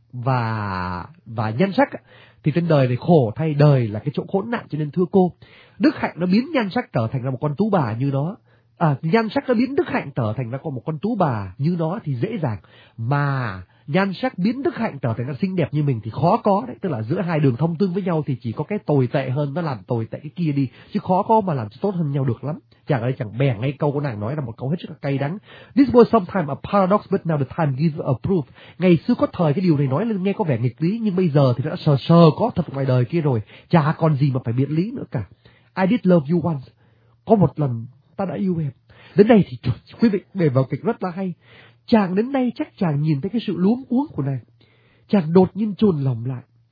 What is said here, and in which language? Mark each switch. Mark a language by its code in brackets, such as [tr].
[vi] và nhan sắc thì trên đời này khổ thay đời là cái chỗ khốn nạn, cho nên thưa cô, đức hạnh nó biến nhan sắc trở thành ra một con tú bà như nó, nhan sắc nó biến đức hạnh trở thành ra một con tú bà như nó thì dễ dàng, mà nhan sắc biến đức hạnh trở thành ra xinh đẹp như mình thì khó có đấy. Tức là giữa hai đường thông tương với nhau thì chỉ có cái tồi tệ hơn nó làm tồi tệ cái kia đi, chứ khó có mà làm tốt hơn nhau được lắm. Chàng ấy chẳng bèn ngay câu của nàng nói là một câu hết sức là cay đắng. [en] This was sometime a paradox, but now the time gives a proof. [vi] Ngày xưa có thời cái điều này nói lên nghe có vẻ nghịch lý, nhưng bây giờ thì đã sờ sờ có thật ngoài đời kia rồi. Chả còn gì mà phải biện lý nữa cả. [en] I did love you once. [vi] Có một lần ta đã yêu em. Đến đây thì quý vị để vào kịch rất là hay. Chàng đến đây chắc chàng nhìn thấy cái sự luống cuống của nàng. Chàng đột nhiên chồn lòng lại.